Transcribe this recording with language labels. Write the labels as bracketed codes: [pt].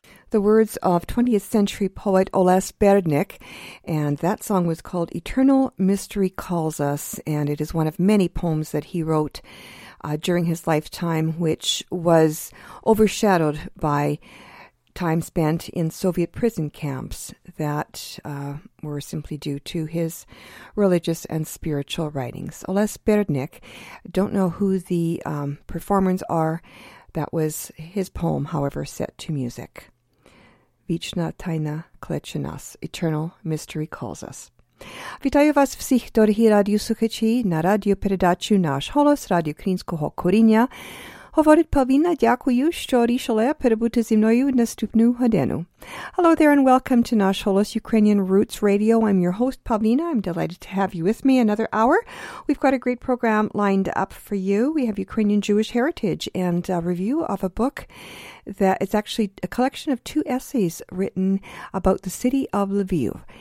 [en] The words of 20th century poet Olaus Berdnik, and that song was called Eternal Mystery Calls Us, and it is one of many poems that he wrote during his lifetime, which was overshadowed by time spent in Soviet prison camps that were simply due to his religious and spiritual writings. Olaus Berdnik, don't know who the performers are, that was his poem, however, set to music. [uk] Вічна тайна кличе нас. [en] Eternal mystery calls us. [uk] Вітаю вас всіх, дорогі радіослухачі, на радіопередачу «Наш голос» Радіо Українського коріння. Говорить Павіна, дякую, що рішили перебути зі мною наступну годину. [en] Hello there and welcome to «Наш голос» Ukrainian Roots Radio. I'm your host, Павіна. I'm delighted to have you with me another hour. We've got a great program lined up for you. We have Ukrainian Jewish heritage and a review of a book that it's actually a collection of two essays written about the city of Lviv.